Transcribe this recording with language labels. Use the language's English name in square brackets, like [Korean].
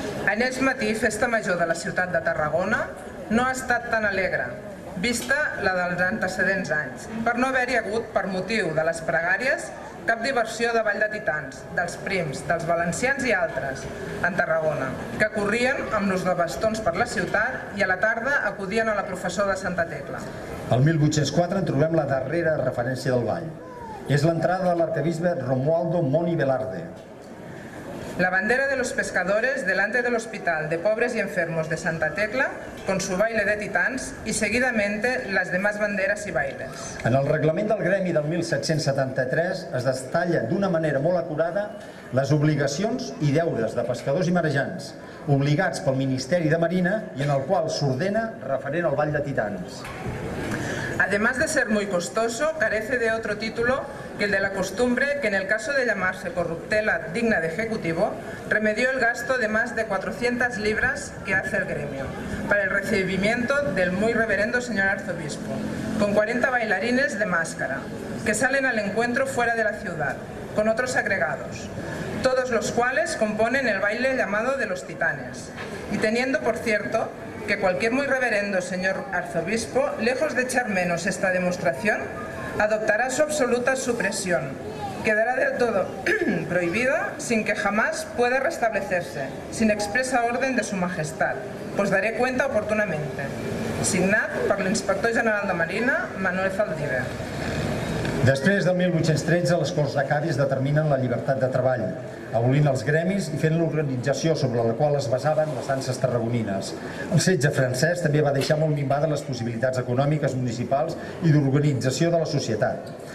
[Catalan] en aquest matí, festa major de la ciutat de Tarragona no ha estat tan alegre, vista la dels antecedents anys, per no haver-hi hagut, per motiu de les pregàries, cap diversió de ball de titans, dels prims, dels valencians i altres, en Tarragona, que corrien amb l'ús de bastons per la ciutat i a la tarda acudien a la professó de Santa Tecla. El 1804 en trobem la darrera referència del ball. És l'entrada de l'arquebisbe Romualdo Moni Velarde. [Spanish] La bandera de los pescadores delante de l'hospital de pobres y enfermos de Santa Tecla, con su baile de titans, y seguidamente las demás banderas y bailes. [Catalan] En el reglament del gremi del 1773 es detalla d'una manera molt acurada les obligacions i deures de pescadors i marejants, obligats pel Ministeri de Marina i en el qual s'ordena referent al Vall de Titans. [Spanish] Además de ser muy costoso, carece de otro título que el de la costumbre, que en el caso de llamarse corruptela digna de ejecutivo, remedió el gasto de más de 400 libras que hace el gremio para el recibimiento del muy reverendo señor arzobispo, con 40 bailarines de máscara, que salen al encuentro fuera de la ciudad, con otros agregados, todos los cuales componen el baile llamado de los titanes. Y teniendo, por cierto, que cualquier muy reverendo señor arzobispo, lejos de echar menos esta demostración, adoptará su absoluta supresión. Quedará del todo prohibida sin que jamás pueda restablecerse, sin expresa orden de su majestad. Pues daré cuenta oportunamente. [Catalan] Signat per l'inspector general de Marina, Manuel Zaldívar. Després del 1813, les Corts de Cádiz determinen la llibertat de treball, abolint els gremis i fent l'organització sobre la qual es basaven les danses tarragonines. El setge francès també va deixar molt minvada les possibilitats econòmiques municipals i d'organització de la societat.